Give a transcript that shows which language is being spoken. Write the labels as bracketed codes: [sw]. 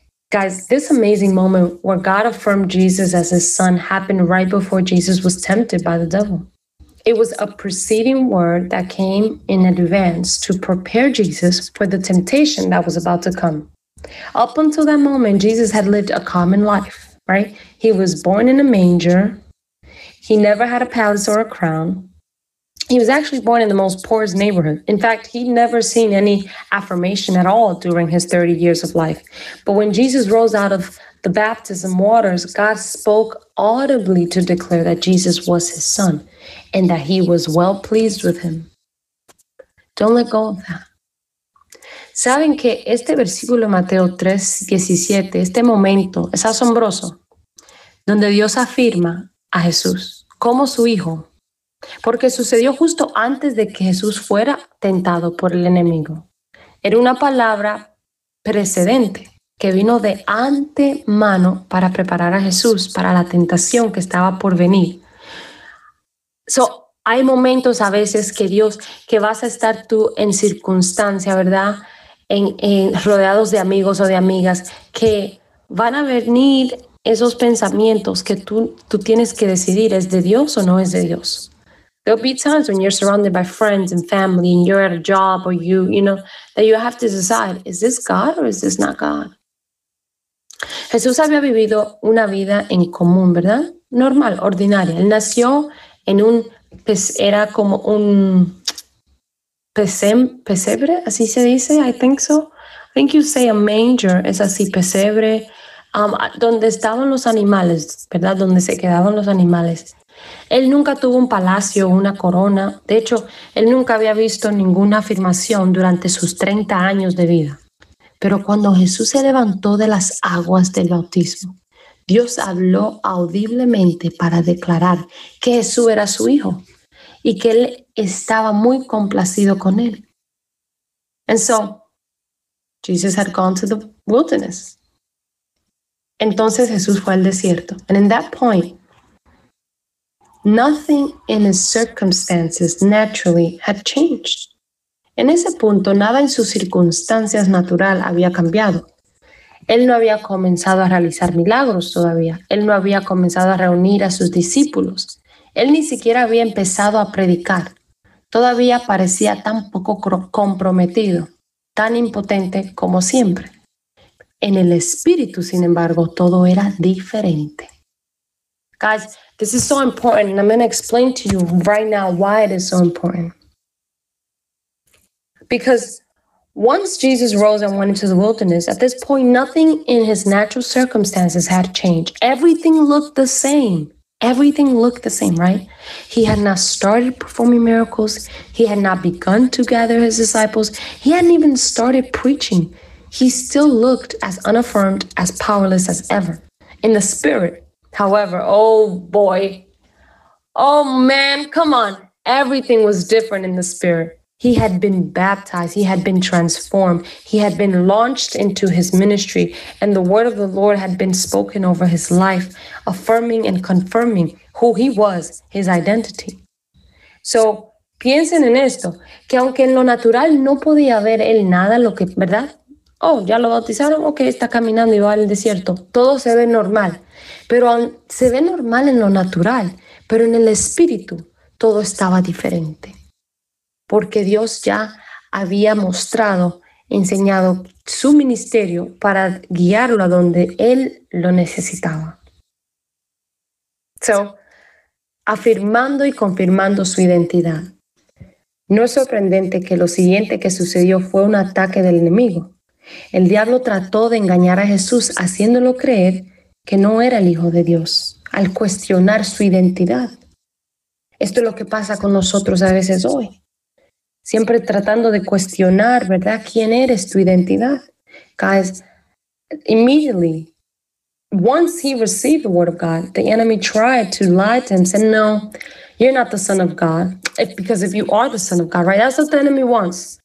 [en] Guys, this amazing moment where God affirmed Jesus as his son happened right before Jesus was tempted by the devil. It was a preceding word that came in advance to prepare Jesus for the temptation that was about to come. Up until that moment, Jesus had lived a common life, right? He was born in a manger. He never had a palace or a crown. He was actually born in the most poorest neighborhood. In fact, he'd never seen any affirmation at all during his 30 years of life. But when Jesus rose out of the baptism waters, God spoke audibly to declare that Jesus was his son and that he was well pleased with him. Don't let go of that. [es] ¿Saben que este versículo de Mateo 3, 17, este momento es asombroso, donde Dios afirma a Jesús como su hijo? Porque sucedió justo antes de que Jesús fuera tentado por el enemigo. Era una palabra precedente que vino de antemano para preparar a Jesús para la tentación que estaba por venir. So, hay momentos a veces que Dios, que vas a estar tú en circunstancia, ¿verdad?, en rodeados de amigos o de amigas, que van a venir esos pensamientos que tú tienes que decidir, ¿es de Dios o no es de Dios? [en] There'll be times when you're surrounded by friends and family and you're at a job or you know, that you have to decide, ¿is this God or is this not God? [es] Jesús había vivido una vida en común, ¿verdad? Normal, ordinaria. Él nació en un, pues, era como un pesebre, así se dice, [en] I think so. I think you say a manger, [es] es así, pesebre, donde estaban los animales, ¿verdad? Donde se quedaban los animales. Él nunca tuvo un palacio, una corona. De hecho, él nunca había visto ninguna afirmación durante sus 30 años de vida. Pero cuando Jesús se levantó de las aguas del bautismo, Dios habló audiblemente para declarar que Jesús era su hijo y que él estaba muy complacido con él. And so, [en] Jesus had gone to the wilderness. [es] Entonces Jesús fue al desierto. [en] And in that point, nothing in his circumstances naturally had changed. [es] En ese punto, nada en sus circunstancias natural había cambiado. Él no había comenzado a realizar milagros todavía. Él no había comenzado a reunir a sus discípulos. Él ni siquiera había empezado a predicar. Todavía parecía tan poco comprometido, tan impotente como siempre. En el espíritu, sin embargo, todo era diferente. [en] Guys, this is so important, and I'm going to explain to you right now why it is so important. Because once Jesus rose and went into the wilderness, at this point, nothing in his natural circumstances had changed. Everything looked the same. Everything looked the same, right? He had not started performing miracles. He had not begun to gather his disciples. He hadn't even started preaching. He still looked as unaffirmed, as powerless as ever. In the spirit, however, oh boy, oh man, come on. Everything was different in the spirit. He had been baptized. He had been transformed. He had been launched into his ministry, and the word of the Lord had been spoken over his life, affirming and confirming who he was, his identity. [es] So, piensen en esto, que aunque en lo natural no podía ver él nada, lo que, ¿verdad? Oh, ya lo bautizaron, ok, está caminando y va al desierto. Todo se ve normal, pero se ve normal en lo natural, pero en el espíritu todo estaba diferente. Porque Dios ya había mostrado, enseñado su ministerio para guiarlo a donde él lo necesitaba. So, afirmando y confirmando su identidad. No es sorprendente que lo siguiente que sucedió fue un ataque del enemigo. El diablo trató de engañar a Jesús haciéndolo creer que no era el Hijo de Dios, al cuestionar su identidad. Esto es lo que pasa con nosotros a veces hoy. Siempre tratando de cuestionar, ¿verdad? ¿Quién eres? Tu identidad. [en] Guys, immediately, once he received the word of God, the enemy tried to lie to him, said, no, you're not the son of God. Because if you are the son of God, right? That's what the enemy wants.